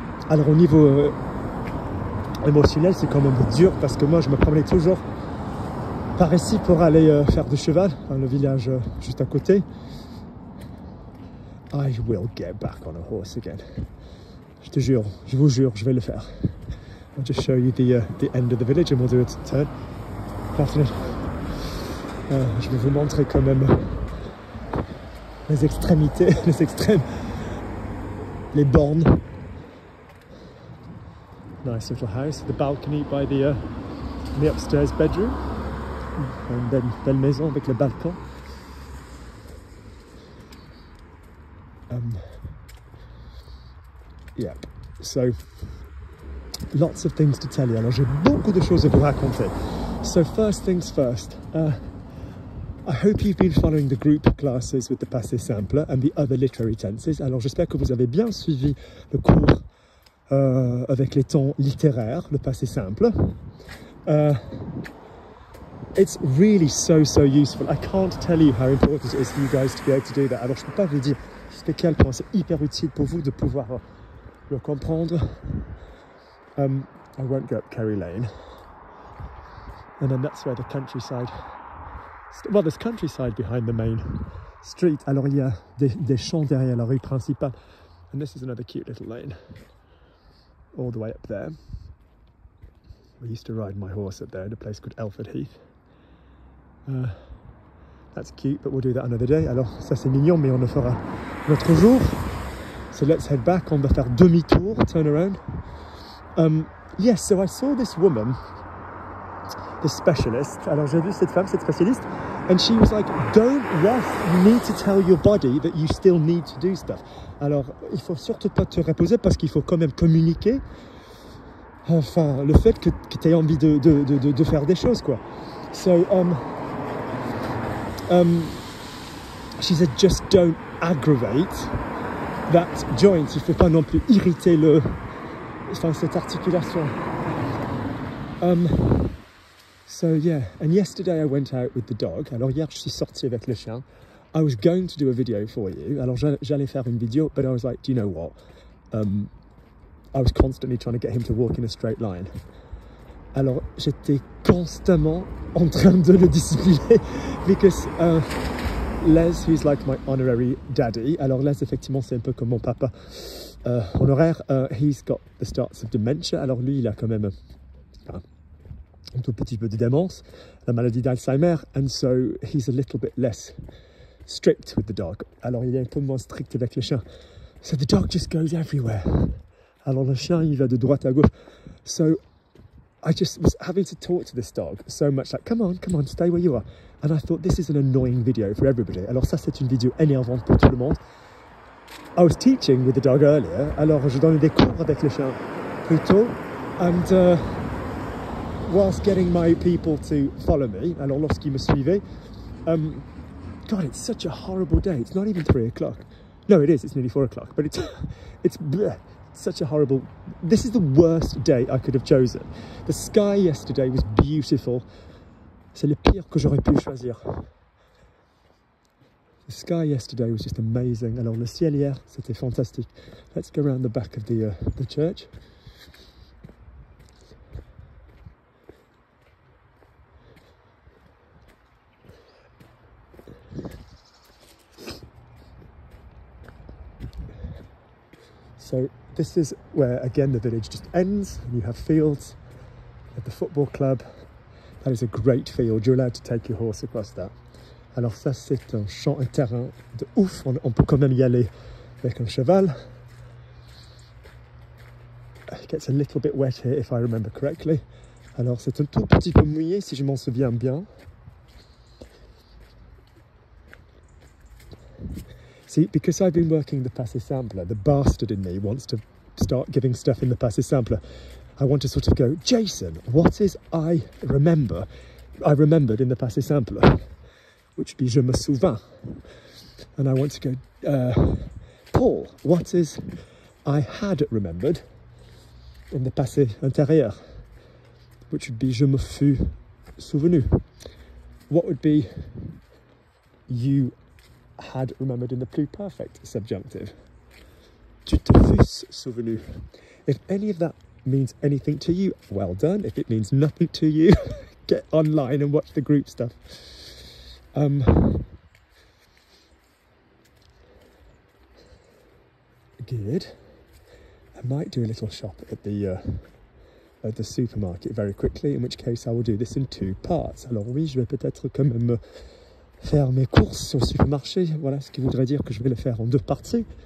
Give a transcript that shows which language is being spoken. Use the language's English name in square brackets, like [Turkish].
[French] Alors au niveau émotionnel, c'est quand même dur parce que moi je me promenais toujours par ici pour aller faire du cheval dans le village juste à côté. [English] I will get back on a horse again. [French] Je te jure, je vous jure, je vais le faire. [English] I'll just show you the end of the village and we'll do a turn. [French] Parfait. Je vais vous montrer quand même les extrémités, les extrêmes, les bornes. [English] Nice little house, the balcony by the upstairs bedroom. And then [French] belle maison avec le balcon. [English] Yeah, so lots of things to tell you. [French] Alors j'ai beaucoup de choses à vous raconter. [English] So first things first, I hope you've been following the group classes with the passé simple and the other literary tenses. [French] Alors j'espère que vous avez bien suivi le cours avec les temps littéraires, le passé simple. [English] It's really so useful. I can't tell you how important it is for you guys to be able to do that. [French] Alors je peux pas vous dire à quel point c'est hyper utile pour vous de pouvoir le comprendre. [English] I won't go up Kerry Lane. And then that's where the countryside. Well, there's countryside behind the main street. [French] Alors il y a des champs derrière la rue principale. [English] And this is another cute little lane. All the way up there. I used to ride my horse up there in a place called Elford Heath. That's cute, but we'll do that another day. [French] Alors, ça c'est mignon, mais on le fera un autre jour. [English] So let's head back, [French] on va faire demi-tour, [English] turn around. Yes, so I saw this woman, the specialist. [French] Alors, j'ai vu cette femme, cette spécialiste, [English] and she was like, don't rest, you need to tell your body that you still need to do stuff. [French] Alors, il faut surtout pas te reposer, parce qu'il faut quand même communiquer. Enfin, le fait que t'aies envie de faire des choses, quoi. [English] So, she said, just don't aggravate that joint. [French] Il faut pas non plus irriter le, enfin, cette articulation. [English] So yeah, and yesterday I went out with the dog. [French] Alors hier, je suis sorti avec le chien. [English] I was going to do a video for you. [French] Alors j'allais faire une vidéo, [English] but I was like, do you know what? I was constantly trying to get him to walk in a straight line. [French] Alors, j'étais constamment en train de le discipliner [English] because Les, who's like my honorary daddy. [French] Alors Les, effectivement, c'est un peu comme mon papa honoraire. [English] He's got the starts of dementia. [French] Alors lui, il a quand même un tout petit peu de démence, la maladie d'Alzheimer. [English] And so he's a little bit less strict with the dog. [French] Alors il est un peu moins strict avec le chien. [English] So the dog just goes everywhere. [French] Alors le chien, il va de droite à gauche. [English] So I just was having to talk to this dog so much, like, come on, stay where you are. And I thought, this is an annoying video for everybody. [French] Alors ça, c'est une vidéo énervante pour tout le monde. [English] I was teaching with the dog earlier. [French] Alors je donnais des cours avec le chien plus tôt. [English] And whilst getting my people to follow me, [French] alors lorsqu'ils me suivaient, [English] God, it's such a horrible day. It's not even 3 o'clock. No, it is, it's nearly 4 o'clock, but it's bleh. Such a horrible, this is the worst day I could have chosen. The sky yesterday was beautiful. [French] C'est le pire que j'aurais pu choisir. [English] The sky yesterday was just amazing. [French] Alors le ciel hier, c'était fantastique. [English] Let's go around the back of the church. So this is where, again, the village just ends. And you have fields at the football club. That is a great field. You're allowed to take your horse across that. [French] Alors ça, c'est un champ, un terrain de ouf. On peut quand même y aller avec un cheval. [English] It gets a little bit wet here, if I remember correctly. [French] Alors c'est un tout petit peu mouillé, si je m'en souviens bien. [English] See, because I've been working the passé simple, the bastard in me wants to start giving stuff in the passé simple. I want to sort of go, Jason, what is I remembered in the passé simple, which would be [French] je me souviens. [English] And I want to go, Paul, what is I had remembered in the passé antérieur, which would be [French] je me fus souvenu. [English] What would be you had remembered in the pluperfect subjunctive? [French] Tu te fus souvenu. [English] If any of that means anything to you, well done. If it means nothing to you, get online and watch the group stuff. Good. I might do a little shop at the supermarket very quickly, in which case I will do this in two parts. [French] Alors oui, je vais peut-être quand même faire mes courses au supermarché. Voilà ce qui voudrait dire que je vais le faire en deux parties.